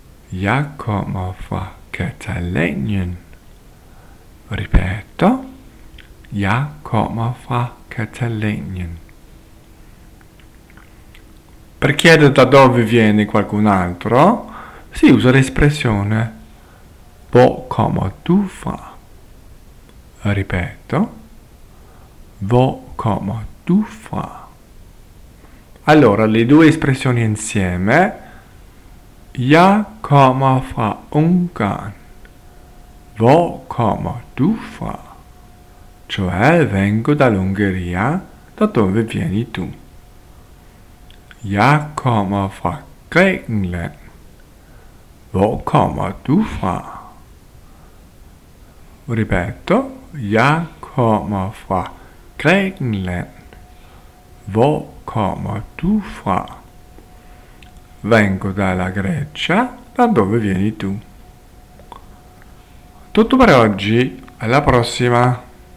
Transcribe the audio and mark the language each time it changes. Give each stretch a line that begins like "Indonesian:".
Norwegian: Ja komme fra Katalonien.
Italian: Ripeto.
Norwegian: Ja komme fra Katalonien.
Italian: Per chiedere da dove viene qualcun altro, si usa l'espressione
German: Wo kommst du her?
Italian: Ripeto,
German: Wo kommst du her?
Italian: Allora, le due espressioni insieme.
Norwegian: Ja komme fra Ungarn.
German: Wo kommst du her?
Italian: Cioè, vengo dall'Ungheria, da dove vieni tu? Ja komme fra Griechenland.
German: Wo kommst du her?
Italian: Ripeto,
Norwegian: ja komme fra Griechenland.
German: Wo kommst du her?
Italian: Vengo dalla Grecia, da dove vieni tu? Tutto per oggi, alla prossima!